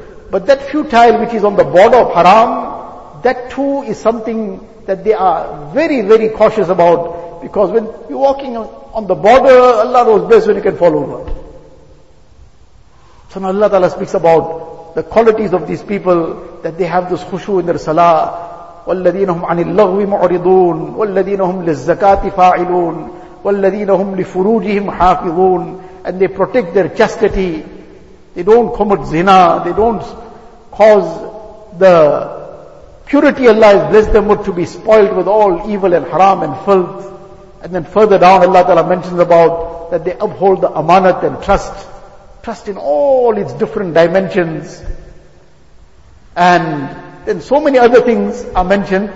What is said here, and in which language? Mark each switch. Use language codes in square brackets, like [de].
[en] But that futile which is on the border of haram, that too is something that they are very, very cautious about. Because when you're walking on the border, Allah knows best when you can fall over. So now Allah Ta'ala speaks about the qualities of these people, that they have this khushu in their salah. [ar] وَالَّذِينَ هُمْ عَنِ اللَّغْوِ مُعْرِضُونَ وَالَّذِينَ هُمْ لِلزَّكَاةِ فَاعِلُونَ وَالَّذِينَ هُمْ لِفُرُوجِهِمْ حَافِظُونَ, [en] and they protect their chastity. They don't commit zina. They don't cause the purity Allah has blessed them with to be spoiled with all evil and haram and filth. And then further down Allah Ta'ala mentions about that they uphold the amanat and trust. Trust in all its different dimensions. And then so many other things are mentioned.